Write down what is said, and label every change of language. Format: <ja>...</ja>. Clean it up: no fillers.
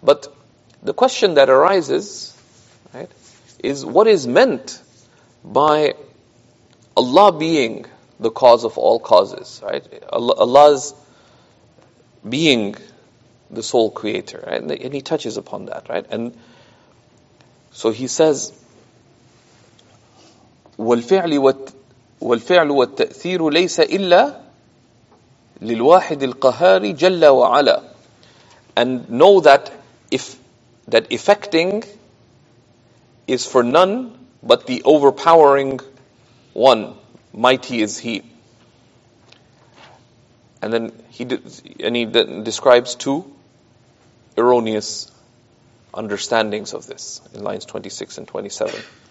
<en>But the question that arises, right, is what is meant by Allah being the cause of all causes, right? Allah's being the sole creator, right? And he touches upon that, right? And so he says,</en> <ar>وَالْفِعْلُ وَالْتَأْثِيرُ لَيْسَ إِلَّا لِلْوَاحِدِ الْقَهَارِ جَلَّ وَعَلَى.</ar> <en>And know that that effecting is for none but the overpowering one. Mighty is He. And then he describes two erroneous understandings of this in lines 26 and 27.</en>